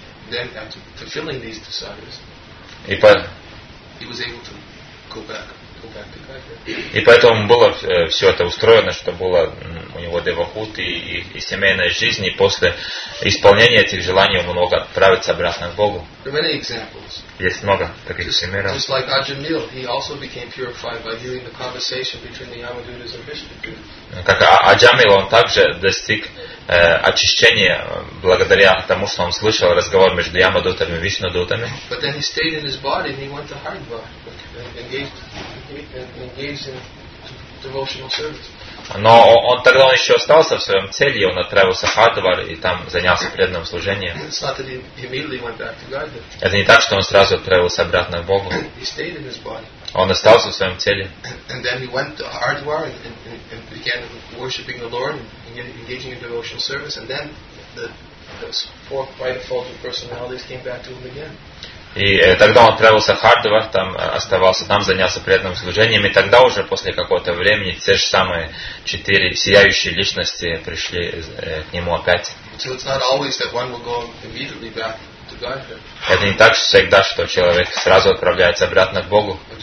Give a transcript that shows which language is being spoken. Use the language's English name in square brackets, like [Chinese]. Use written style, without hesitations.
[English] Then after fulfilling these desires, he was able to go back to Godhead. [Russian] И поэтому было все это устроено, что было у него девахути и семейная жизнь, и после исполнения этих желаний он мог отправиться обратно к Богу. [English] There are many examples. [Russian] Есть много таких примеров. [English] Just like Ajahnil, he also became purified by hearing the conversation between the Yamadutas and Vishnudutas. [Russian] Как Аджамил, он также достиг очищение благодаря тому, что он слышал разговор между Ямадутами и Вишнудутами. [English] But then he stayed in his body and he went to Haridwar and engaged in devotional service. [Russian] Но он тогда он еще остался в своем теле, он отправился в Хардвар и там занялся преданным служением. [English] It's not that he immediately went back to Godhead. [Russian] Это не так, что он сразу отправился обратно к Богу. [English] He stayed in his body. [Russian] Он остался в своем теле. [English] And then he went to Hardwar and began worshiping the Lord and engaging in devotional service, and then the four fivefold personalities came back to him again. [Russian] И тогда он отправился в Хардвар, там оставался, там занялся преданным служением, и тогда уже после какого-то времени те же самые четыре сияющие личности пришли к нему опять. Это не так всегда, что человек сразу отправляется обратно к Богу.